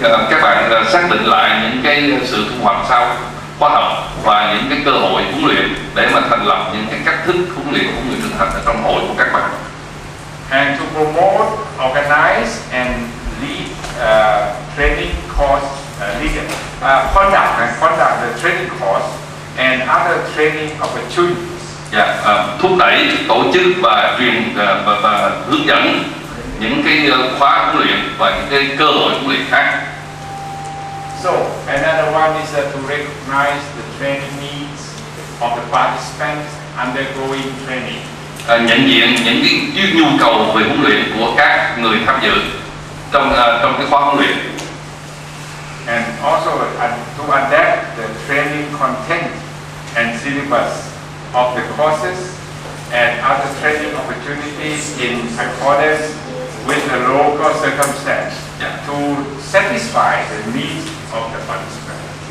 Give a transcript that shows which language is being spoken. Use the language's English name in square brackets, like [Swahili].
[Vietnamese] Các bạn xác định lại những cái sự thu hoạch sau khóa học và những cái cơ hội huấn luyện để mà thành lập những cái cách thức huấn luyện của người trưởng thành ở trong hội của các bạn. [English] And to promote, organize and lead training course leader, conduct the training course and other training opportunities. [Vietnamese] Thúc đẩy, tổ chức và truyền và hướng dẫn những cái khóa huấn luyện và những cái cơ hội huấn luyện khác. [English] So another one is to recognize the training needs of the participants undergoing training. [Vietnamese] Nhận diện những cái nhu cầu về huấn luyện của các người tham dự trong cái khóa huấn luyện. [English] And also to adapt the training content and syllabus of the courses and other training opportunities in accordance with the local circumstance to satisfy the needs of the participants.